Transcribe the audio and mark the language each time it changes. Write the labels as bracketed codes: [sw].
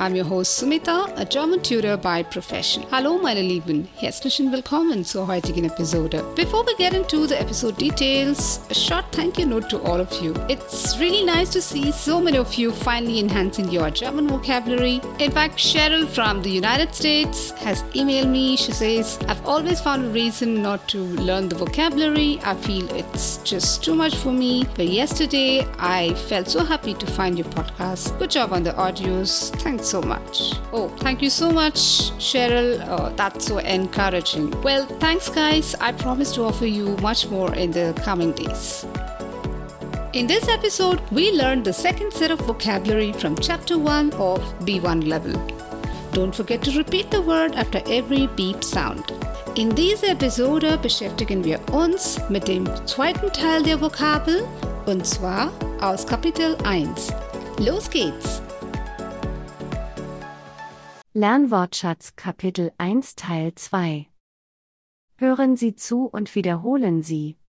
[en] I'm your host Sumita, a German tutor by profession. [de] Hallo meine Lieben, herzlich willkommen zur heutigen Episode. [en] Before we get into the episode details, a short thank you note to all of you. It's really nice to see so many of you finally enhancing your German vocabulary. In fact, Cheryl from the United States has emailed me. She says, I've always found a reason not to learn the vocabulary. I feel it's just too much for me. But yesterday, I felt so happy to find your podcast. Good job on the audios. Thanks so much. Oh, thank you so much, Cheryl. That's so encouraging. Well, thanks, guys. I promise to offer you much more in the coming days. In this episode, we learned the second set of vocabulary from Chapter 1 of B1 level. Don't forget to repeat the word after every beep sound. [de] In dieser Episode beschäftigen wir uns mit dem zweiten Teil der Vokabel, und zwar aus Kapitel 1. Los geht's! Lernwortschatz Kapitel 1 Teil 2. Hören Sie zu und wiederholen Sie.